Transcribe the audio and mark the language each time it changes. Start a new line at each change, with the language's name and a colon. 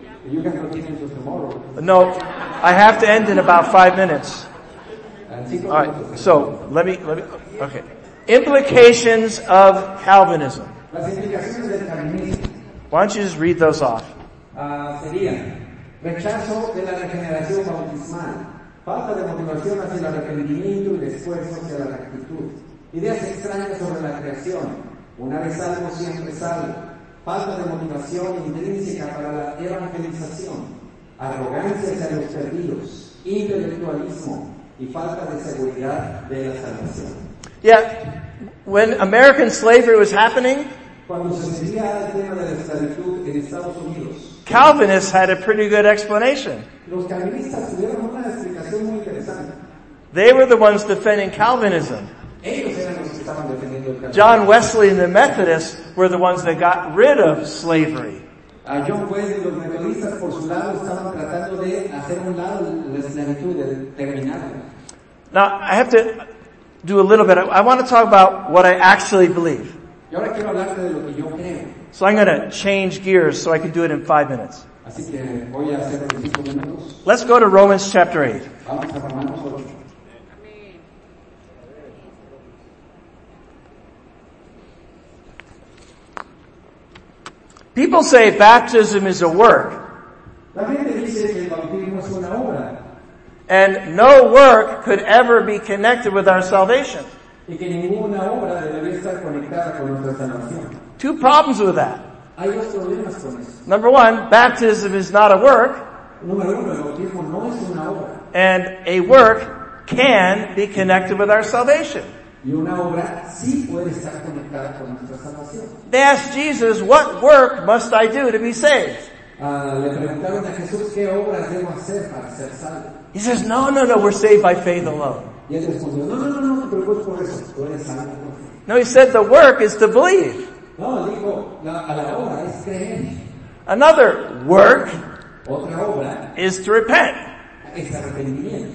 English: You can continue until tomorrow. No, I have to end in about 5 minutes. Alright, so let me, okay. Implications of Calvinism. Why don't you just read those off?
Spanish: Sería, rechazo de la regeneración bautismal, falta de motivación hacia el arrepentimiento y esfuerzo hacia la rectitud, ideas extrañas sobre la creación, una vez salvo siempre salvo, falta de motivación intrínseca para la evangelización, arrogancia hacia los perdidos, intelectualismo, y falta de seguridad de la salvación.
English: Yeah, when American slavery was happening,
Spanish: cuando se vivía el tema de la esclavitud en Estados Unidos,
English: Calvinists had a pretty good explanation.
Spanish: Los calvinistas tuvieron una explicación muy interesante.
English: They were the ones defending Calvinism.
Spanish: Ellos eran los que estaban defendiendo el Calvinismo.
English: John Wesley and the Methodists were the ones that got rid of slavery.
Spanish: John Wesley y los metodistas por su lado estaban tratando de hacer un lado la esclavitud, de terminarla.
English: Now, I have to do a little bit. I want to talk about what I actually believe.
Spanish: Y ahora quiero hablarte de lo que yo creo.
English: So I'm going to change gears so I can do it in 5 minutes.
Spanish: Así que voy a hacer 5 minutos.
English: Let's go to Romans chapter 8.
Spanish: Vamos a Romanos 8.
English: People say baptism is a work.
Spanish: La gente dice que el bautismo es una obra.
English: And no work could ever be connected with our salvation.
Spanish: Y que ninguna obra debe estar conectada con nuestra salvación.
English: Two problems with that.
Spanish: Hay dos problemas con eso.
English: Number one, baptism is not a work.
Spanish: Número uno, el bautismo no es una obra.
English: And a work can be connected with our salvation.
Spanish: Y una obra sí puede estar conectada con nuestra salvación.
English: They asked Jesus, what work must I do to be saved?
Spanish: Le preguntaron a Jesús, ¿qué obra debo hacer para ser salvo?
English: He says, no, we're saved by faith alone. No, he said the work is to believe.
Spanish: No, dijo, la obra es creer.
English: Another work,
Spanish: otra obra,
English: is to repent.
Spanish: Es arrepentimiento.